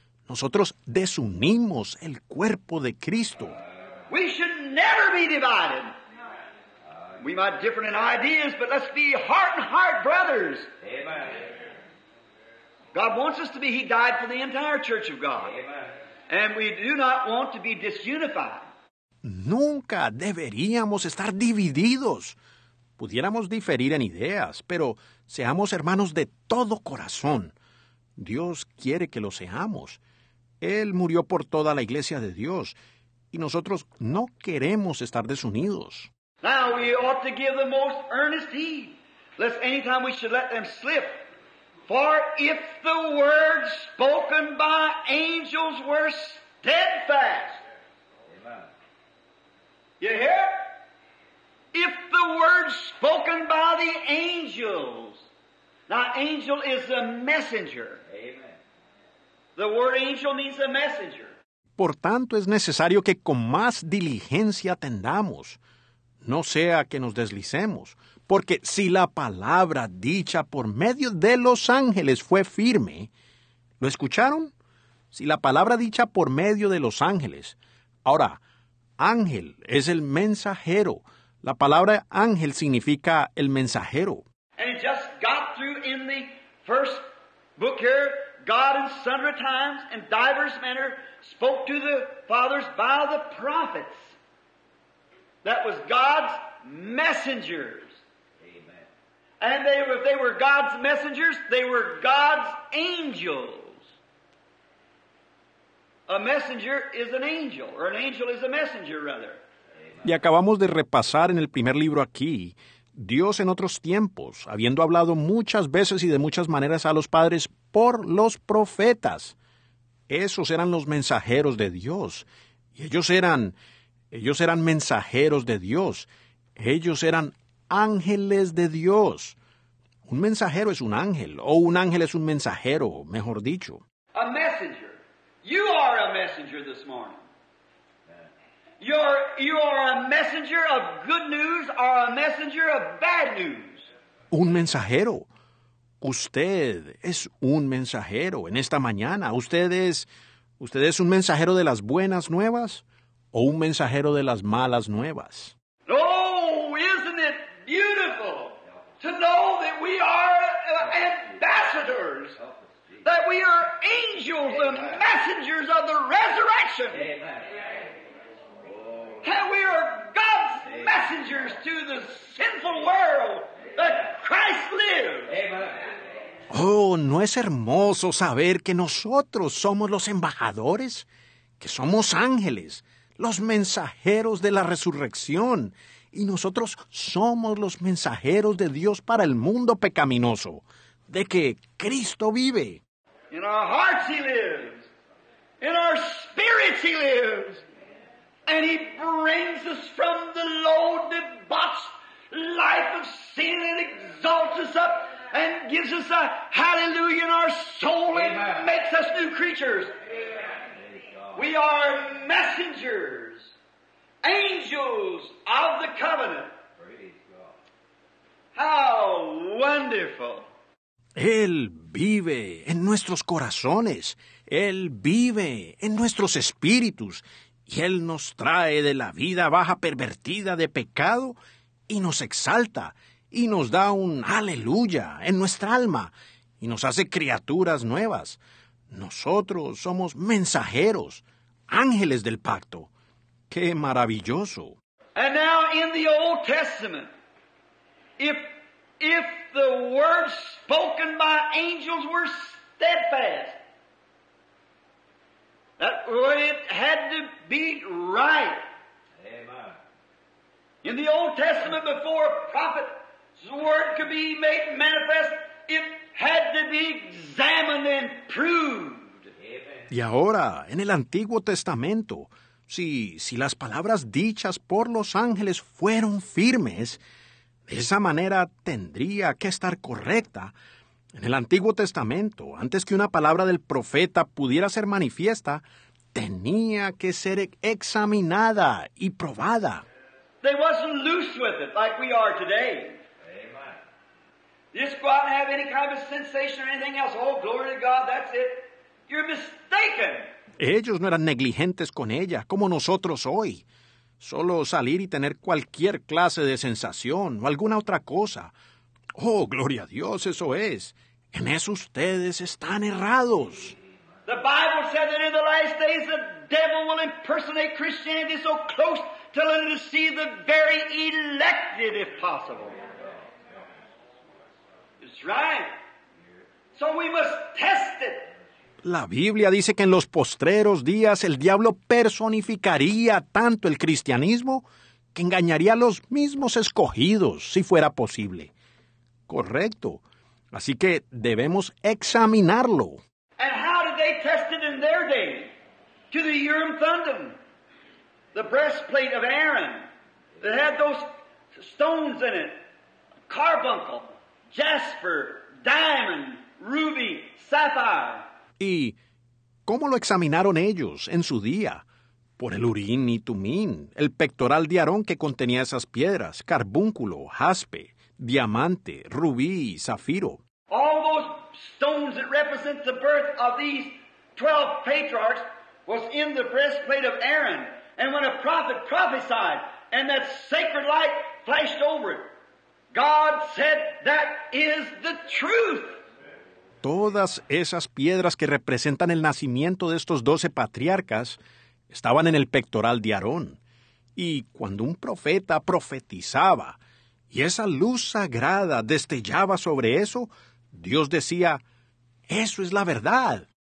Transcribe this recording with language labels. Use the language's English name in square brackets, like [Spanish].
[Spanish] Nosotros desunimos el cuerpo de Cristo. [English] We should never be divided. We might differ in ideas, but let's be heart and heart brothers. Amen. God wants us to be. He died for the entire church of God. Amen. And we do not want to be disunified. [Spanish] Nunca deberíamos estar divididos. Pudiéramos diferir en ideas, pero seamos hermanos de todo corazón. Dios quiere que lo seamos. Él murió por toda la iglesia de Dios. Y nosotros no queremos estar desunidos. [English] Now we ought to give the most earnest heed, lest any time we should let them slip. For if the words spoken by angels were steadfast. Amen. You hear? If the words spoken by the angels. Now, angel is a messenger. Amen. The word angel means a messenger. [Spanish] Por tanto, es necesario que con más diligencia atendamos, no sea que nos deslicemos, porque si la palabra dicha por medio de los ángeles fue firme, ¿lo escucharon? Si la palabra dicha por medio de los ángeles. Ahora, ángel es el mensajero. La palabra ángel significa el mensajero. [English] And it just got through in the first book here, God in sundry times and diverse manner spoke to the fathers by the prophets. That was God's messengers. Amen. And if they were God's messengers, they were God's angels. A messenger is an angel, or an angel is a messenger, rather. [Spanish] Y acabamos de repasar en el primer libro aquí, Dios en otros tiempos, habiendo hablado muchas veces y de muchas maneras a los padres por los profetas. Esos eran los mensajeros de Dios. Y ellos eran mensajeros de Dios. Ellos eran ángeles de Dios. Un mensajero es un ángel, o un ángel es un mensajero, mejor dicho. [English] A messenger. You are a messenger this morning. You are a messenger of good news or a messenger of bad news. [Spanish] Un mensajero. Usted es un mensajero en esta mañana. Usted es un mensajero de las buenas nuevas o un mensajero de las malas nuevas. [English] Oh, isn't it beautiful to know that we are ambassadors, that we are angels and messengers of the resurrection. That we are God's messengers to the sinful world that Christ lives. [Spanish] Oh, ¿no es hermoso saber que nosotros somos los embajadores? Que somos ángeles, los mensajeros de la resurrección. Y nosotros somos los mensajeros de Dios para el mundo pecaminoso, de que Cristo vive. [English] In our hearts he lives. In our spirits he lives. And he brings us from the low, debauched life of sin and exalts us up and gives us a hallelujah in our soul. Amen. And makes us new creatures. Amen. We are messengers, angels of the covenant. How wonderful! [Spanish] Él vive en nuestros corazones. Él vive en nuestros espíritus. Y Él nos trae de la vida baja pervertida de pecado y nos exalta. Y nos da un aleluya en nuestra alma. Y nos hace criaturas nuevas. Nosotros somos mensajeros, ángeles del pacto. ¡Qué maravilloso! [English] And now in the Old Testament, if the words spoken by angels were steadfast, that it had to be right. Amen. In the Old Testament, before a prophet the word could be made manifest, it had to be examined and proved. Amen. [Spanish] Y ahora, en el Antiguo Testamento, si las palabras dichas por los ángeles fueron firmes, de esa manera tendría que estar correcta. En el Antiguo Testamento, antes que una palabra del profeta pudiera ser manifiesta, tenía que ser examinada y probada. [English] They wasn't loose with it like we are today. Just go out and have any kind of sensation or anything else. Oh, glory to God, that's it. You're mistaken. [Spanish] Ellos no eran negligentes con ella, como nosotros hoy. Solo salir y tener cualquier clase de sensación o alguna otra cosa. Oh, gloria a Dios, eso es. En eso ustedes están errados. [English] The Bible said that in the last days the devil will impersonate Christianity so close to let it deceive the very elected, if possible. Right. So we must test it. [Spanish] La Biblia dice que en los postreros días el diablo personificaría tanto el cristianismo que engañaría a los mismos escogidos, si fuera posible. Correcto. Así que debemos examinarlo. [English] And how did they test it in their day? To the Urim Thummim, the breastplate of Aaron that had those stones in it, carbuncle. Jasper, diamond, ruby, sapphire. [Spanish] ¿Y cómo lo examinaron ellos en su día? Por el Urín y Tumín, el pectoral de Aarón que contenía esas piedras, carbúnculo, jaspe, diamante, rubí y zafiro. [English] All those stones that represent the birth of these 12 patriarchs was in the breastplate of Aaron. And when a prophet prophesied and that sacred light flashed over it, God said that is the truth. [Spanish] Todas esas piedras que representan el nacimiento de estos 12 patriarcas estaban en el pectoral de Aarón. Y cuando un profeta profetizaba y esa luz sagrada destellaba sobre eso, Dios decía, eso es la verdad.